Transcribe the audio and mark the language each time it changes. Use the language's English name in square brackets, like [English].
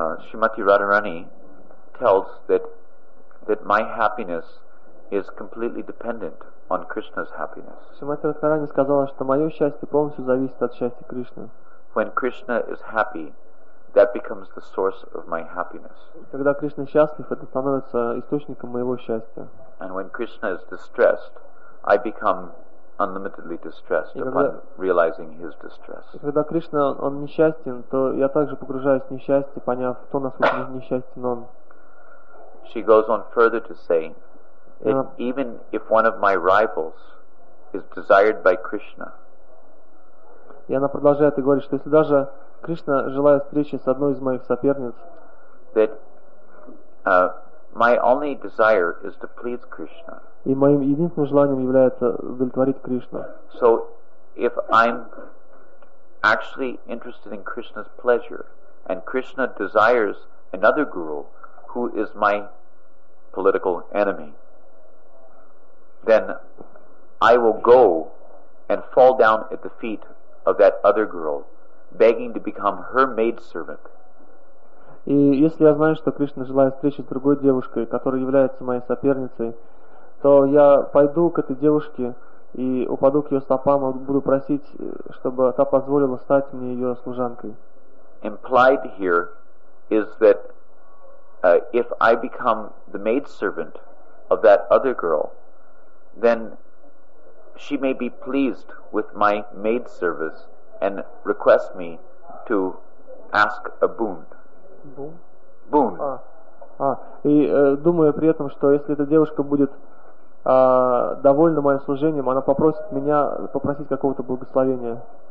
[English] Шримати Радхарани tells that my happiness is completely dependent on Krishna's happiness. [Russian] Шримати Радхарани сказала, что мое счастье полностью зависит от счастья Кришны. [English] When Krishna is happy, that becomes the source of my happiness. [Russian] Когда Кришна счастлив, это становится источником моего счастья. [English] And when Krishna is distressed, I become unlimitedly distressed upon realizing his distress. [Russian] Когда Кришна он несчастен, то я также погружаюсь в несчастье, поняв, кто насколько несчастен он. [English] She goes on further to say, even if one of my rivals is desired by Krishna. [Russian] И она продолжает и говорит, что если даже Кришна желает встречи с одной из моих соперниц, [English] that my only desire is to please Krishna. [Russian] И моим единственным желанием является удовлетворить Кришну. [English] So if I'm actually interested in Krishna's pleasure and Krishna desires another guru who is my political enemy, then I will go and fall down at the feet of that other girl, begging to become her maid servant. [Russian] И если я знаю, что Кришна желает встречи с другой девушкой, которая является моей соперницей, то я пойду к этой девушке и упаду к ее стопам и буду просить, чтобы та позволила стать мне ее служанкой. [English] Implied here is that if I become the maid servant of that other girl, then she may be pleased with my maid service and request me to ask a boon. Boon. [Russian] И думаю при этом, что если эта девушка будет довольна моим служением, она попросит меня попросить какого-то благословения.